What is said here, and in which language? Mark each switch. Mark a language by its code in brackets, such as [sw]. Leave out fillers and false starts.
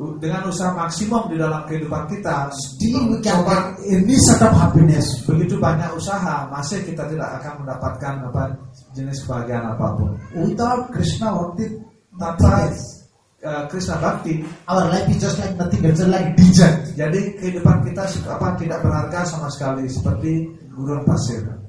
[id] dengan usaha maksimum di dalam kehidupan kita [en] still we can get any sort of happiness. [id] Begitu banyak usaha masih kita tidak akan mendapatkan apa jenis kebahagiaan apapun. [en] Without Krishna bhakti [id] tanpa Krishna bhakti [en] our life is just like nothing. It's like desert. [id] Jadi kehidupan kita apa tidak berharga sama sekali seperti gurun pasir.